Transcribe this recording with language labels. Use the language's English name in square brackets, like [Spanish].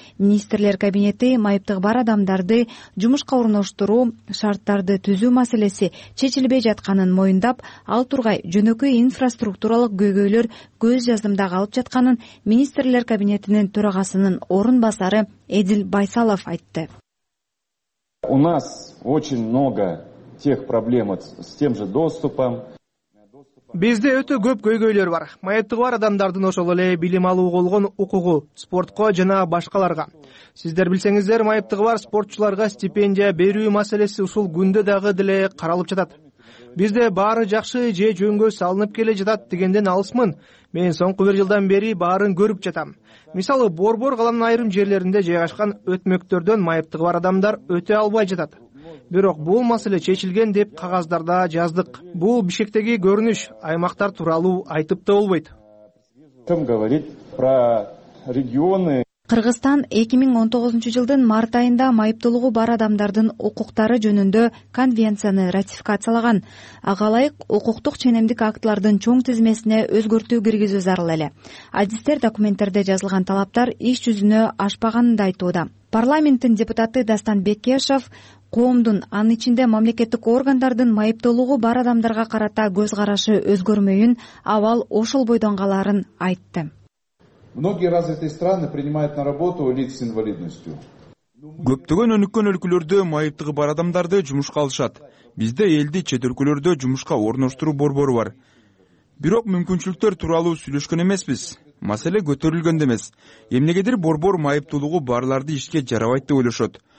[Kyrgyz] Министрлер кабинети майыптык бар адамдарды жумушка орноштуруу, шарттарды түзүү маселеси чечилбей жатканын моюндап, ал тургай жөнөкөй инфраструктуралык көйгөйлөр көз жазымда калып жатканын министрлер кабинетинин төрагасынын орун басары Эдил Байсалов айтты. [Russian] У нас очень много тех проблем с тем же доступом. [Kyrgyz] Бизде өтө көп көйгөйлөр бар. Маектиги бар адамдардын ошол эле билим алууга болгон укугу, спортко жана башкаларга. Сиздер билсеңиздер, маектиги бар спортчуларга стипендия берүү маселеси ушул күндө дагы деле каралып жатат. Бизде баары жакшы же жөнгө салынып келе жатат дегенден алысмын. Мен соңку бир жылдан бери баарын көрүп жатам. Мисалы, Борбор каланын айрым жерлеринде жайгашкан өтмөктөрдөн майыптыгы бар адамдар өтө албай жатат. Бирок бул маселе чечилген деп кагаздарда жаздык. Бул Бишкектеги көрүнүш, аймактар тууралуу айтып да болбойт. [Russian] Ким говорит про регионы? [Kyrgyz] Кыргызстан 2019 жылдын март айында майыптылыгы бар адамдардын укуктары жөнүндө конвенцияны ратификациялаган. Ага ылайык укуктук ченемдик актылардын чоң тизмесине өзгөртүү киргизүү зарыл эле. Адистер документтерде жазылган талаптар иш жүзүнө ашпаганын да айтууда. Парламенттин депутаты Дастан Бекешев коомдун, анын ичинде мамлекеттик органдардын майыптылыгы бар адамдарга карата көз карашы өзгөрмөйүн, абал ошол бойдон калаарын айтты. [Russian] Многие развитые страны принимают на работу лиц с инвалидностью. [Kyrgyz] Көптөгөн өнүккөн өлкөлөрдө майыптыгы бар адамдарды жумушка алышат. Бизде элди чет өлкөлөрдө жумушка орноштуруу борбору бар. Бирок мүмкүнчүлүктөр тууралуу сүйлөшкөн эмеспиз. Маселе көтөрүлгөндө эмес. Эмнегедир борбор майыптылыгы барларды ишке жарабайт деп ойлошот.